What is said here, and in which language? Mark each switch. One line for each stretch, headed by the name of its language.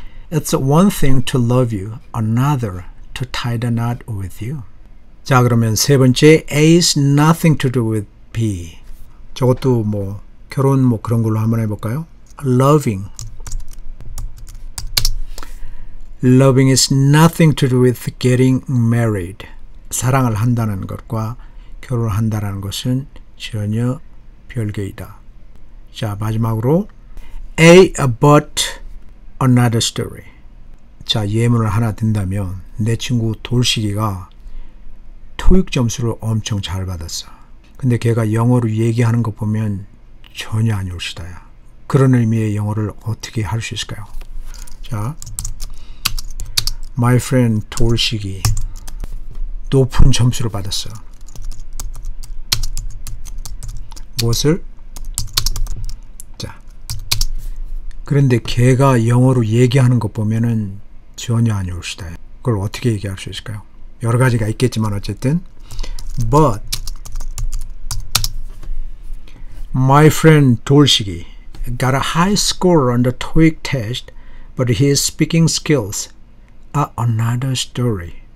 English: It's one thing to love you, another to tie the knot with you.
Korean: 자, 그러면 세 번째,
English: A is nothing to do with B.
Korean: 저것도 뭐 결혼 뭐 그런 걸로 한번 해볼까요?
English: Loving. Loving is nothing to do with getting married.
Korean: 사랑을 한다는 것과 결혼을 한다는 것은 전혀 별개이다. 자, 마지막으로
English: A but another story.
Korean: 자, 예문을 하나 든다면 내 친구 돌식이가 토익 점수를 엄청 잘 받았어. 근데 걔가 영어로 얘기하는 거 보면 전혀 안 좋시다야. 그런 의미의 영어를 어떻게 할 수 있을까요? 자,
English: My friend
Korean: 돌식이 높은 점수를 받았어. 무엇을? 자, 그런데 걔가 영어로 얘기하는 것 보면은 전혀 안 좋으시다. 그걸 어떻게 얘기할 수 있을까요? 여러 가지가 있겠지만 어쨌든
English: But My friend 돌식이 got a high score on the TOEIC test but his speaking skills are another story.